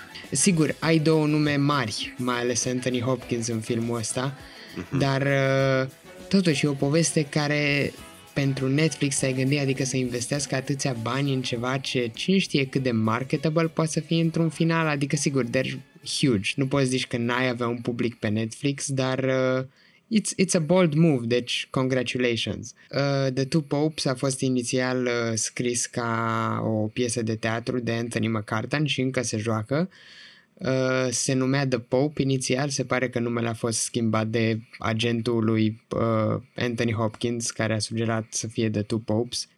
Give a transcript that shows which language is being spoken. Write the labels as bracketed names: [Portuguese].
[Romanian] Sigur, ai două nume mari, mai ales Anthony Hopkins în filmul ăsta, dar totuși e o poveste care pentru Netflix ai gândit, adică să investească atâția bani în ceva ce cine știe cât de marketable poate să fie într-un final, adică sigur, [English] they're huge, [Romanian] nu poți zici că n-ai avea un public pe Netflix, dar [English] It's a bold move, deci congratulations. [Romanian] The Two Popes a fost inițial scris ca o piesă de teatru de Anthony McCartan și încă se joacă. Se numea The Pope inițial, se pare că numele a fost schimbat de agentul lui Anthony Hopkins, care a sugerat să fie The Two Popes.